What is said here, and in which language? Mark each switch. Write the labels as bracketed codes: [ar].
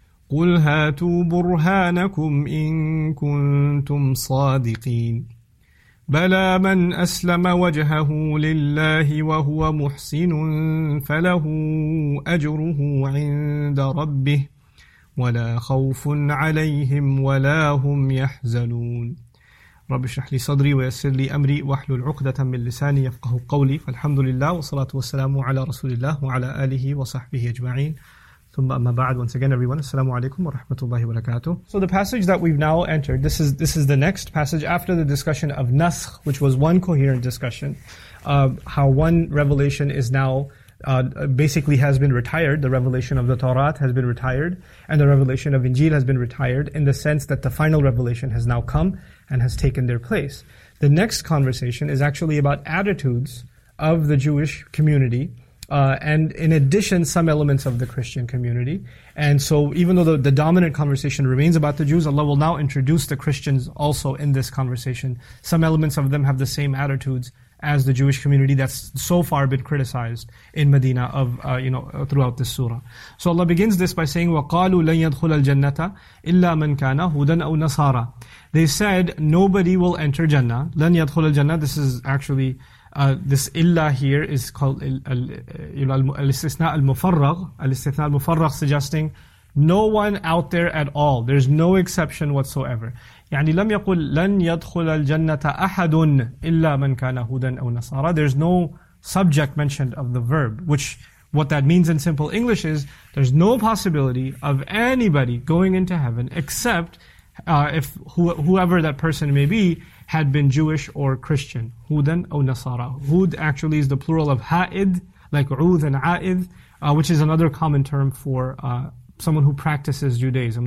[ar] قل هاتوا برهانكم إن كنتم صادقين بلى من أسلم وجهه لله وهو محسن فله أجره عند ربه ولا خوف عليهم ولا هم يحزنون رب اشرح لي صدري ويسر لي أمري واحلل عقدة من لساني يفقه قولي فالحمد لله والصلاة والسلام على رسول الله وعلى آله وصحبه أجمعين. [en] Once again, everyone, assalamu alaikum wa rahmatullahi wa barakatuh. So the passage that we've now entered, this is the next passage after the discussion of naskh, which was one coherent discussion of how one revelation is now basically has been retired. The revelation of the Torah has been retired, and the revelation of Injil has been retired in the sense that the final revelation has now come and has taken their place. The next conversation is actually about attitudes of the Jewish community, and in addition, some elements of the Christian community. And so even though the dominant conversation remains about the Jews, Allah will now introduce the Christians also in this conversation. Some elements of them have the same attitudes as the Jewish community that's so far been criticized in Medina of throughout this surah. So Allah begins this by saying, [ar] وَقَالُوا لَنْ يَدْخُلَ الْجَنَّةَ إِلَّا مَنْ كَانَ هُدًا أَوْ نَصَارًا. [en] They said, nobody will enter Jannah. [ar] لَنْ يَدْخُلَ الْجَنَّةَ, [en] this is actually... This illa here is called al-istithna al-mufarrag. Al-istithna al-mufarrag suggesting no one out there at all. There's no exception whatsoever. [ar] يعني لم يقول لن يدخل الجنة أحد إلا من كان هودا أو نصارى. [en] There's no subject mentioned of the verb, which what that means in simple English is there's no possibility of anybody going into heaven except whoever that person may be had been Jewish or Christian. Hudan or Nasara. Hud actually is the plural of ha'id, like Uth and A'id, which is another common term for someone who practices Judaism.